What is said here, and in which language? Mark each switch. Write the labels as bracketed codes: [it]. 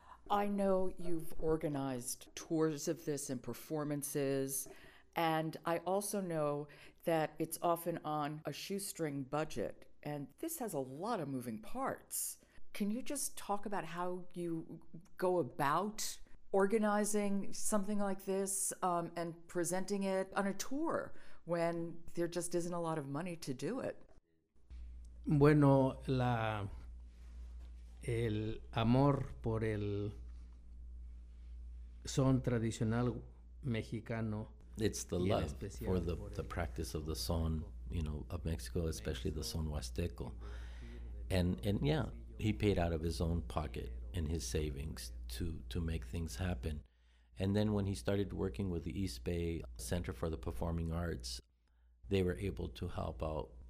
[en] I know you've organized tours of this and performances, and I also know that it's often on a shoestring budget, and this has a lot of moving parts. Can you just talk about how you go about organizing something like this and presenting it on a tour when there just isn't a lot of money to do it? [es] Bueno, el amor por el son tradicional mexicano. [en] It's the love for the practice of the son, you know, of Mexico, especially the son huasteco. And yeah, he paid out of his own pocket and his savings to make things happen. And then when he started working with the East Bay Center for the Performing Arts, they were able to help out.